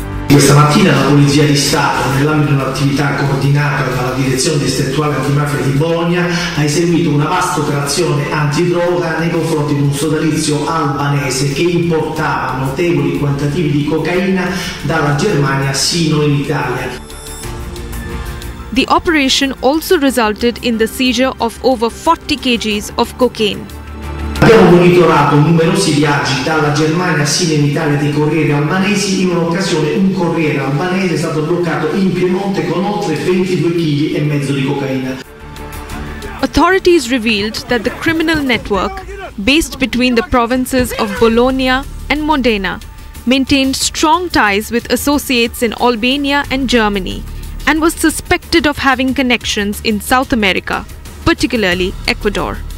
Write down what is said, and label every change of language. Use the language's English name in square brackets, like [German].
[Italian] Questa mattina la Polizia di Stato, nell'ambito di un'attività coordinata dalla Direzione Distrettuale Antimafia di Bologna, ha eseguito una vasta operazione antidroga nei confronti di un sodalizio albanese che importava notevoli quantitativi di cocaina dalla Germania sino in Italia. [English] The operation also resulted in the seizure of over 40 kg of cocaine. [Italian] Abbiamo monitorato numerosi viaggi dalla Germania sino in Italia dei corrieri albanesi. In un'occasione un corriere albanese è stato bloccato in Piemonte con oltre 22 kg e mezzo di cocaina. [English] Authorities revealed that the criminal network, based between the provinces of Bologna and Modena, maintained strong ties with associates in Albania and Germany, and was suspected of having connections in South America, particularly Ecuador.